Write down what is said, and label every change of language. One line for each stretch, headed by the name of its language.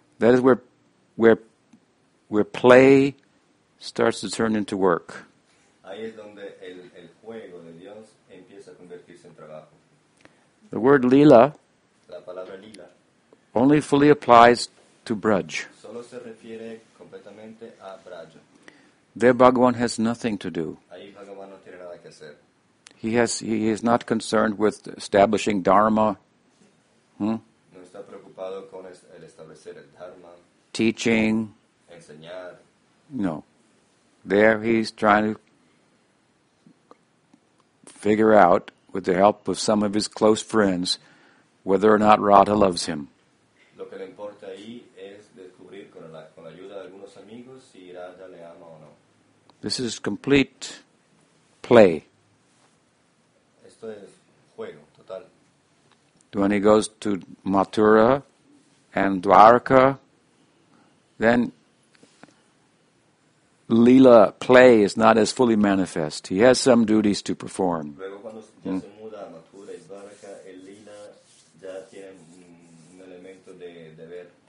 English: That is where play starts to turn into work.
Spanish: Ahí es donde el juego de Dios empieza a convertirse en trabajo.
English: The word Leela,
Spanish: la palabra Leela,
English: only fully applies to Braj.
Spanish: Solo se refiere completamente a Braj.
English: There Bhagavan has nothing to do.
Spanish: Ahí Bhagavan no tiene nada que hacer.
English: He is not concerned with establishing dharma.
Spanish: No está preocupado con el establecer el dharma.
English: Teaching.
Spanish: Enseñar. No.
English: There he's trying to figure out, with the help of some of his close friends, whether or not Radha loves him.
Spanish: Lo que le importa ahí es descubrir con la ayuda de algunos amigos si Radha le ama o no.
English: This is complete play.
Spanish: Esto es juego, total.
English: When he goes to Mathura and Dwarka, then Leela play is not as fully manifest. He has some duties to perform.
Spanish: Luego cuando ya se muda a Mathura y Dwarka, el Leela ya tiene un elemento de deber.